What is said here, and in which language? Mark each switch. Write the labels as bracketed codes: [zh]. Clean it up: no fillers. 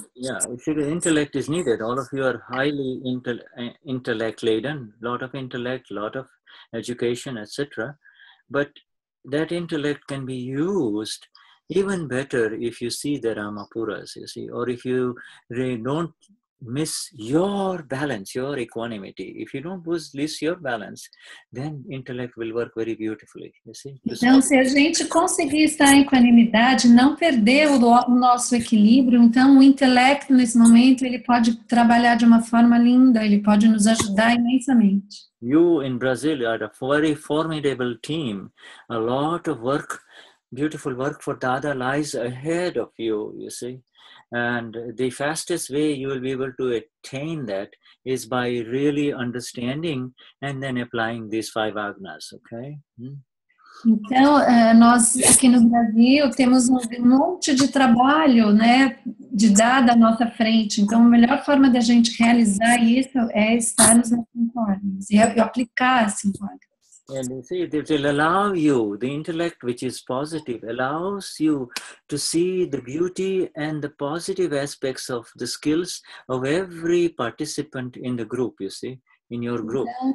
[en] Yeah, if your intellect is needed, all of you are highly intellect laden, lot of intellect, lot of education, etc. But that intellect can be used even better if you see the Ramapuras, you see, or if you don't miss your balance, your equanimity. If you don't lose your balance, then intellect will work very beautifully, you see. [pt] Então, se a gente conseguir estar em equanimidade, não perder o nosso equilíbrio, então o intelecto nesse momento, ele pode trabalhar de uma forma linda, ele pode nos ajudar imensamente. [en] You in Brazil are a very formidable team. A lot of work, beautiful work for Dada lies ahead of you, you see. And the fastest way you will be able to attain that is by really understanding and then applying these five Agnas, okay? [pt] Então, nós aqui no Brasil temos um monte de trabalho, né, de Dada à nossa frente. Então, a melhor forma de a gente realizar isso é estar nos cinco Agnas e aplicar as cinco Agnas. [en] And you see, it will allow you, the intellect which is positive, allows you to see the beauty and the positive aspects of the skills of every participant in the group, you see, in your group.